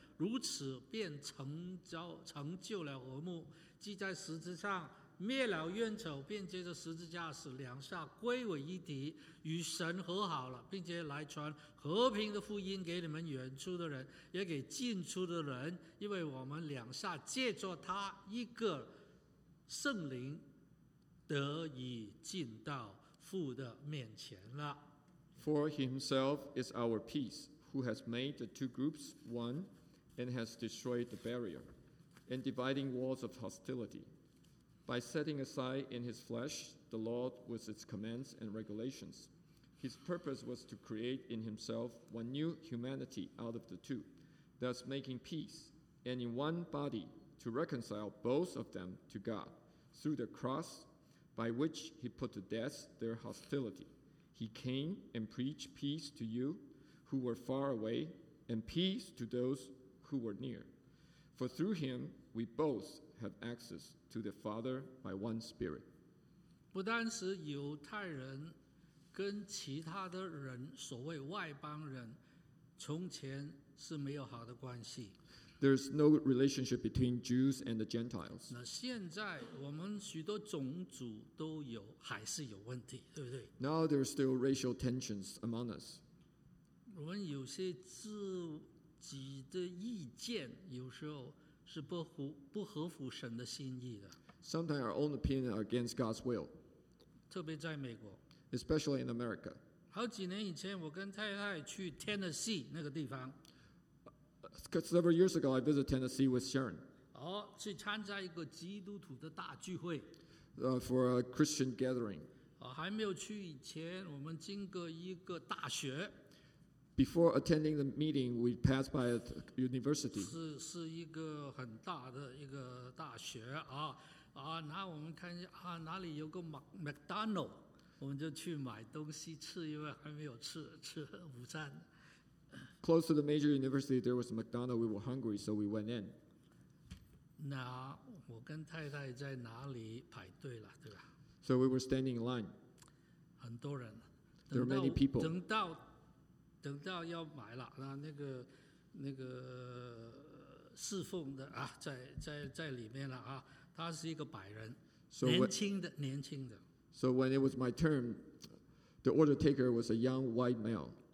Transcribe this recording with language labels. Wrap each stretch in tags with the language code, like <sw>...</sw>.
<zh>如此便成就了和睦，既在十字上灭了冤仇，便接着十字架使两煞归为一体，与神和好了，并且来传和平的福音给你们远处的人，也给近处的人，因为我们两煞借着他一个圣灵得以进到父的面前了。</zh> <en>For himself is our peace, who has made the two groups one,and has destroyed the barrier and dividing walls of hostility by setting aside in his flesh the law with its commands and regulations. His purpose was to create in himself one new humanity out of the two, thus making peace, and in one body to reconcile both of them to God through the cross by which he put to death their hostility. He came and preached peace to you who were far away and peace to those who were near. For through him, we both have access to the Father by one Spirit.</en> <zh>不单是犹太人跟其他的人，所谓外邦人，从前是没有好的关系。</zh> <en>There's no relationship between Jews and the Gentiles.</en> <zh>那现在我们许多种族都有，还是有问题，对不对？</zh> <en>Now there's still racial tensions among us.</en> <zh>我们有些自己的意见有时候是不合乎神的心意的。</zh> <en>Sometimes our own opinion are against God's will.</en> <zh>特别在美国。</zh> <en>Especially in America.</en> <zh>好几年以前，我跟太太去 Tennessee 那个地方。</zh> <en>Several years ago, I visited Tennessee with Sharon.</en> <zh>哦，去参加一个基督徒的大聚会。</zh> <en>For a Christian gathering.</en> <zh>哦，还没有去以前，我们经过一个大学。</zh> <en>Before attending the meeting, we passed by a university.</en> <zh>是一个很大的一个大学啊啊，然后我们看见啊，哪里有个McDonald's。我们就去买东西吃，因为还没有吃午餐。</zh> <en>Close to the major university, there was a McDonald's. We were hungry, so we went in.</en> <zh>那我跟太太在哪里排队了，对吧</zh> <en>？So we were standing in line.</en> <zh>很多人。</zh> <en>There were many people.</en> <zh>等到要买了，那个侍奉的啊，在里面了啊，他是一个白人，</zh> <en>so、</en> <zh>年轻的。</zh> <en>So when it was my turn, the order taker was a young white male.</en>